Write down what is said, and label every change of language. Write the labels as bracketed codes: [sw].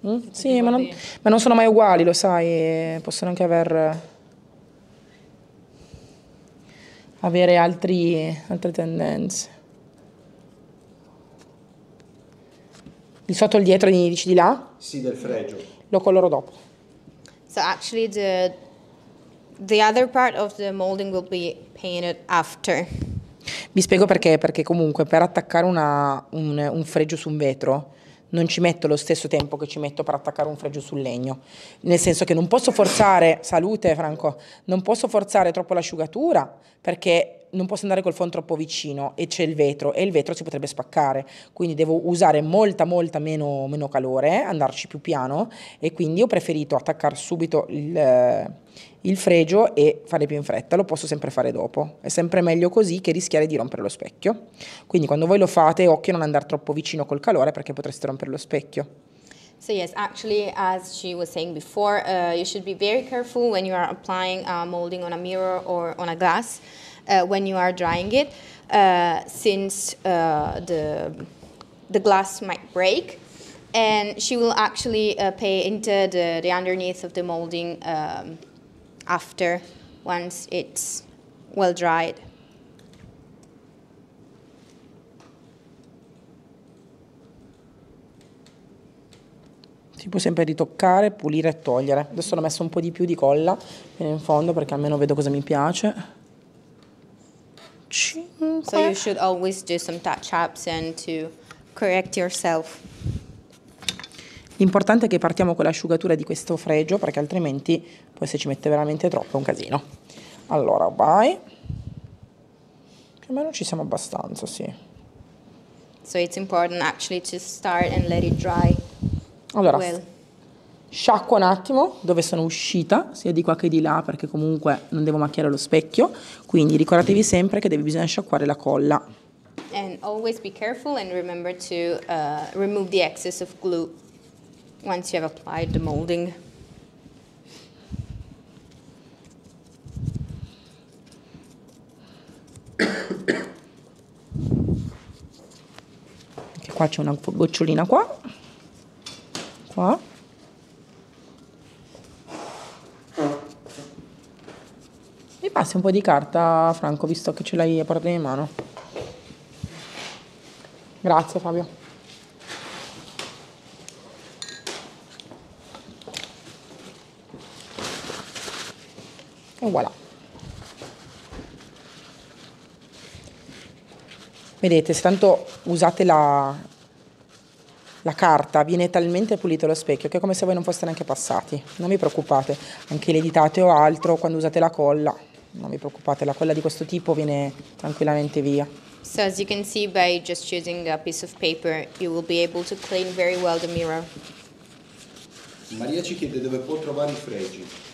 [it] Sì, ma non sono mai uguali, lo sai. Possono anche avere altre tendenze. Il sotto e il dietro dici di là? Sì, del fregio. Lo coloro dopo. [en] So actually the other part of the molding will be painted after. [it] Vi spiego perché comunque per attaccare un fregio su un vetro non ci metto lo stesso tempo che ci metto per attaccare un fregio sul legno, nel senso che non posso forzare, salute Franco, non posso forzare troppo l'asciugatura perché non posso andare col phon troppo vicino e c'è il vetro e il vetro si potrebbe spaccare, quindi devo usare molta meno calore, andarci più piano, e quindi ho preferito attaccare subito il fregio e fare più in fretta. Lo posso sempre fare dopo, è sempre meglio così che rischiare di rompere lo specchio. Quindi quando voi lo fate, occhio a non andare troppo vicino col calore perché potreste rompere lo specchio. [en] So yes, actually as she was saying before, you should be very careful when you are applying molding on a mirror or on a glass when you are drying it, since the glass might break. And she will actually pay into the underneath of the molding after, once it's well dried. [it] Si può sempre ritoccare, pulire e togliere. Adesso l'ho messo un po' di più di colla in fondo perché almeno vedo cosa mi piace. 5. [en] So you should always do some touch-ups and to correct yourself. [it] L'importante è che partiamo con l'asciugatura di questo fregio, perché altrimenti poi se ci mette veramente troppo è un casino. Allora, vai. Più o meno ci siamo abbastanza, sì. [en] So it's important actually to start and let it dry. [it] Allora, sciacquo un attimo dove sono uscita, sia di qua che di là, perché comunque non devo macchiare lo specchio. Quindi ricordatevi sempre che bisogna sciacquare la colla. [en] And always be careful and remember to remove the excess of glue once you have applied the molding. [it] Anche qua c'è una gocciolina qua. Qua. Mi passi un po' di carta, Franco, visto che ce l'hai a portata di mano. Grazie, Fabio. E voilà. Vedete, se tanto usate la carta, viene talmente pulito lo specchio che è come se voi non foste neanche passati. Non vi preoccupate, anche le ditate o altro, quando usate la colla, non vi preoccupate, la colla di questo tipo viene tranquillamente via. [en] So as you can see by just using a piece of paper, you will be able to clean very well the mirror. [it] Maria ci chiede dove può trovare i fregi.